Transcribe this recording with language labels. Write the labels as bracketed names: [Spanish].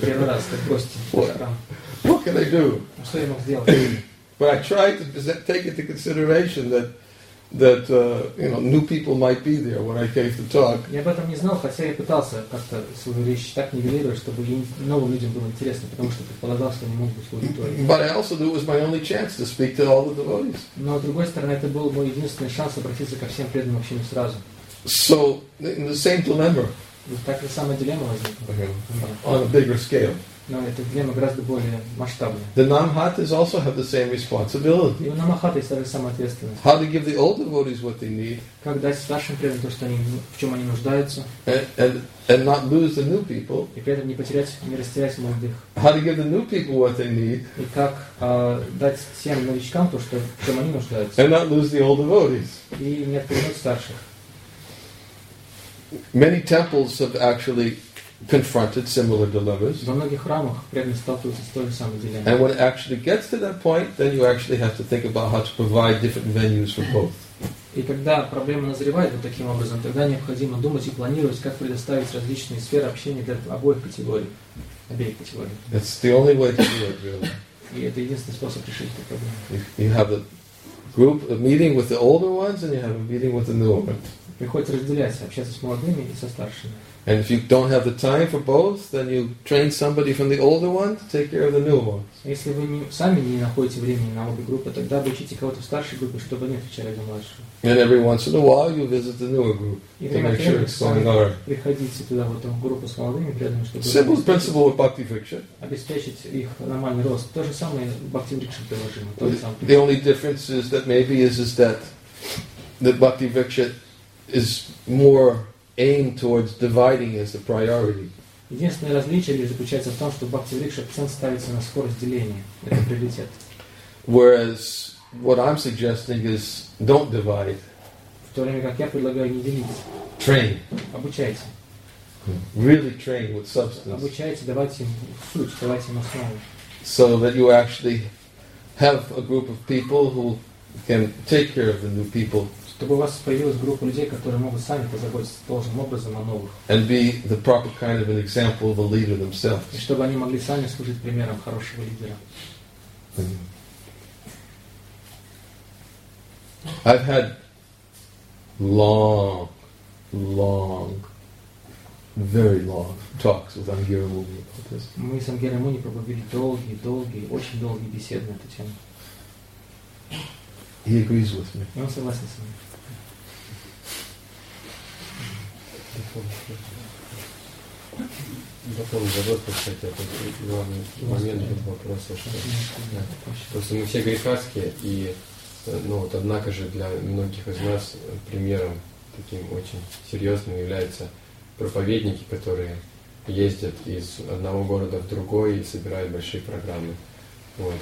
[English] What can I do? But I tried to take into consideration that you know, new people might be there when I gave the talk. [Russian] Я об этом не знал, хотя я пытался как-то свою речь так нивелировать, чтобы новым людям было интересно, потому что предполагал, что они могут быть в аудитории. [English] But I also knew it was my only chance to speak to all the devotees. [Russian] Но с другой стороны, это был мой единственный шанс обратиться ко всем преданным общению сразу. [English] So in the same dilemma. [Russian] Так же самая дилемма возникла. [English] Okay. On a bigger scale. [Russian] Но это дилемма гораздо более масштабная. [English] The Namahatas also have the same responsibility. [Russian] И у Намахаты есть та же самая ответственность. [English] How to give the old devotees what they need. [Russian] Как дать старшим преданным то, что они, в чем они нуждаются. [English] And not lose the new people. [Russian] И при этом не потерять, не растерять молодых. [English] How to give the new people what they need. [Russian] И как дать всем новичкам то, что, в чем они нуждаются. [English] And not lose the old devotees. [Russian] И не отпугнуть старших. [English] Many temples have actually confronted similar dilemmas. [Russian] Во многих храмах преданные сталкиваются с той же самой дилеммой. [English] And when it actually gets to that point, then you actually have to think about how to provide different venues for both. [Russian] И когда проблема назревает вот таким образом, тогда необходимо думать и планировать, как предоставить различные сферы общения для обеих категорий, обеих категорий. [English] That's the only way to do it, really. [Russian] И это единственный способ решить эту проблему. [English] You have the group, a meeting with the older ones, and you have a meeting with the newer ones. [Russian] Приходится разделяться, общаться с молодыми и со старшими. [English] And if you don't have the time for both, then you train somebody from the older one to take care of the newer ones. [Russian] Если вы сами не находите времени на обе группы, тогда обучите кого-то в старшей группе, чтобы они отвечали за младшую. [English] And every once in a while, you visit the newer group to make sure it's going all right. [Russian] Приходите туда в эту группу с молодыми, рядом, чтобы. [English] Simple principle of bhakti vriksha. [Russian] Обеспечить их нормальный рост. То же самое bhakti vriksha приложение. [English] The only difference is that maybe is that the bhakti vriksha is more aim towards dividing as a priority. [Russian] Единственное различие заключается в том, что bhakti vriksha акцент ставится на скорость деления, это приоритет. [English] Whereas what I'm suggesting is don't divide. [Russian] В то время как я предлагаю не делить. [English] Train. [Russian] Обучайте. [English] Really train with substance. [Russian] Обучайте, давайте им суть, давайте им основу. [English] So that you actually have a group of people who can take care of the new people. [Russian] Чтобы у вас появилась группа людей, которые могут сами позаботиться должным образом о новых. [English] And be the proper kind of an example of a leader themselves. [Russian] И чтобы они могли сами служить примером хорошего лидера. [English] I've had long, long, very long talks with Angira Muni about this. [Russian] Мы с Ангира Муни проводили долгие, долгие, очень долгие беседы на эту тему. [English] He agrees with me. [Russian] Он согласен со мной. Потом задать, кстати, этот главный момент этого вопроса, что просто мы все грехарские, и ну вот однако же для многих из нас примером таким очень серьезным являются проповедники, которые ездят из одного города в другой и собирают большие программы. Вот.